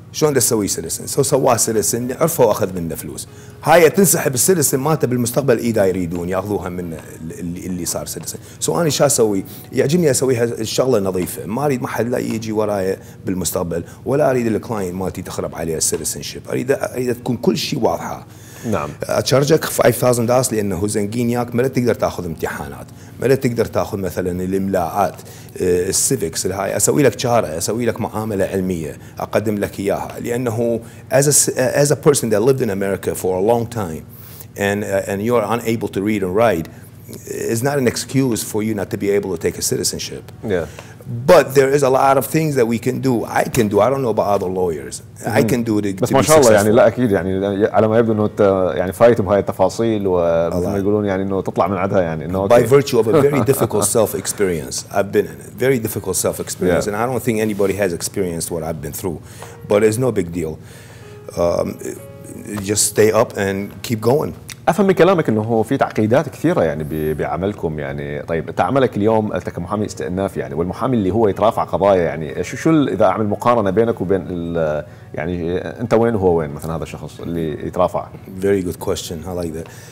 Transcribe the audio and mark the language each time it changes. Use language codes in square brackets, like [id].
[ar] شلون دا تسوي سيتيزن؟ سو سواه سيتيزن عرفه واخذ منه فلوس، هاي تنسحب السيتيزن مالته بالمستقبل اذا يريدون ياخذوها منه اللي صار سيتيزن. سو انا شو اسوي؟ يعجبني اسويها الشغله نظيفه، ما اريد ما حد لا يجي وراي بالمستقبل، ولا اريد الكلاين مالتي تخرب عليها السيتيزن شيب، اريد تكون كل شيء واضحه. نعم. اتشارجك $5,000 لانه زنقين ياك، ما تقدر تاخذ امتحانات، ما تقدر تاخذ مثلا الاملاءات السيفكس هاي، اسوي لك تشاره، اسوي لك معامله علميه اقدم لك اياها، لانه [en] as a person that lived in America for a long time and you're unable to read and write is not an excuse for you not to be able to take a citizenship. Yeah. But there is a lot of things that we can do. I can do. I don't know about other lawyers. I can do it. [ar] بس ما شاء الله يعني لا أكيد يعني على ما يبدو إنه يعني فايت بهاي التفاصيل وما يقولون يعني إنه تطلع من عدها يعني. إنه [en] By virtue of a very difficult self experience, I've been in it. Very difficult self experience, yeah. And I don't think anybody has experienced what I've been through. But it's no big deal. Just stay up and keep going. [ar] أفهم من كلامك إنه هو في تعقيدات كثيرة يعني بعملكم يعني. طيب تعملك اليوم أنت كمحامي استئناف يعني، والمحامي اللي هو يترافع قضايا يعني، شو إذا أعمل مقارنة بينك وبين يعني أنت وين هو وين مثلا هذا الشخص اللي يترافع؟ [en] Very good question. I like that.